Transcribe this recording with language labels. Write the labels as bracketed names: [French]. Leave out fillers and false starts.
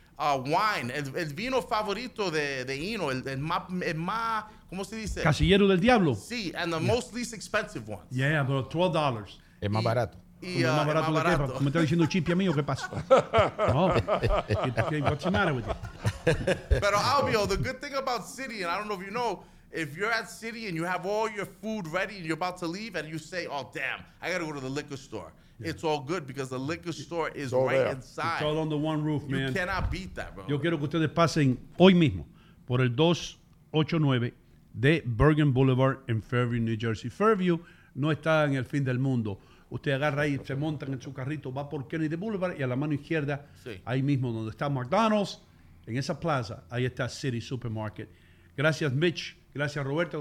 [Spanish] Wine, el vino favorito de Ino, el más, ¿cómo se dice? Casillero del Diablo. [English] Sí, and the most least expensive ones. Yeah, but $12. [Spanish] Es más barato. Es más barato. Me está diciendo chipi a mí, ¿o qué pasa? No. [English] What's the matter with you? Pero Albio, the good thing about City, and I don't know if you know, if you're at City and you have all your food ready and you're about to leave and you say, oh, damn, I got to go to the liquor store. Yeah. It's all good because the liquor store is right inside. It's all under one roof, man. You cannot beat that, bro. [Spanish] Yo quiero que ustedes pasen hoy mismo por el 289 de Bergen Boulevard en Fairview, New Jersey. Fairview no está en el fin del mundo. Usted agarra ahí, se monta en su carrito, va por Kennedy Boulevard y a la mano izquierda, ahí mismo donde está McDonald's, en esa plaza, ahí está City Supermarket. Gracias, Mitch. Gracias, Roberto.